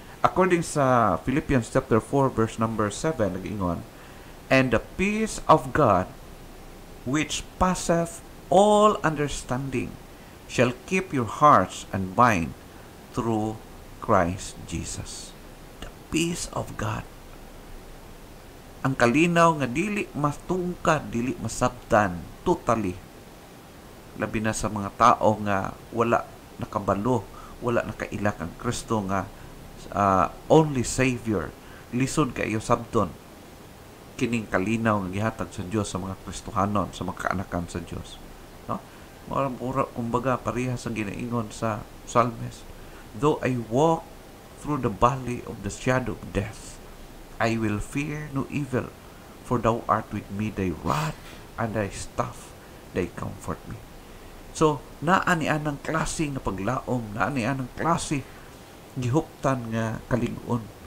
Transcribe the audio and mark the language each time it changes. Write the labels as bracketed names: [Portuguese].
[English] According sa Philippians chapter 4 verse number 7, nag-ingon, and the peace of God which passeth all understanding shall keep your hearts and mind through Christ Jesus. The peace of God. [Cebuano] Ang kalinaw nga dili matungkad, dili masabtan, totally. Labi na sa mga tao nga wala nakabalo, wala nakailak ang Kristo nga [English] only Savior. [Cebuano] Lisod kayo sabton. Kining kalinaw nga gihatag sa Dios sa mga Kristohanon, sa mga kaanakan sa Dios. Mura-mura, kumbaga, parehas ang ginaingon sa psalmist. [English] Though I walk through the valley of the shadow of death, I will fear no evil, for thou art with me, thy rod and thy staff, they comfort me. [Cebuano] So, naanianang klase nga paglaom, naanianang klase gihuptan nga kalingon.